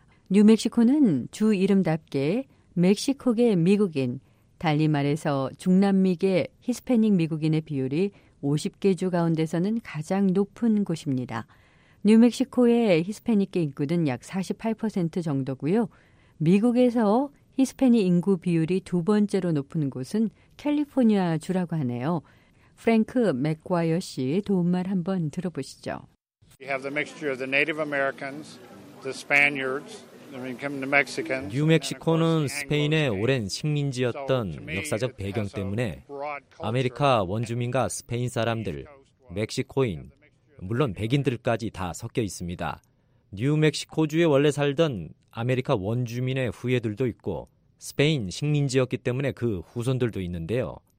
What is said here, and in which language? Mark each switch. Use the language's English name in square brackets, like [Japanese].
[Korean] 뉴멕시코는 주 이름답게 멕시코계 미국인, 달리 말해서 중남미계 히스패닉 미국인의 비율이 50개 주 가운데서는 가장 높은 곳입니다. 뉴멕시코의 히스패닉계 인구는 약 48% 정도고요. 미국에서 히스패닉 인구 비율이 두 번째로 높은 곳은 캘리포니아 주라고 하네요. 프랭크 맥과이어 씨 도움말 한번 들어보시죠. [English] We have the mixture of the Native Americans, the Spaniards. [Korean] 뉴멕시코는 스페인의 오랜 식민지였던 역사적 배경 때문에 아메리카 원주민과 스페인 사람들, 멕시코인, 물론 백인들까지 다 섞여 있습니다. 뉴멕시코주에 원래 살던 아메리카 원주민의 후예들도 있고 스페인 식민지였기 때문에 그 후손들도 있는데요.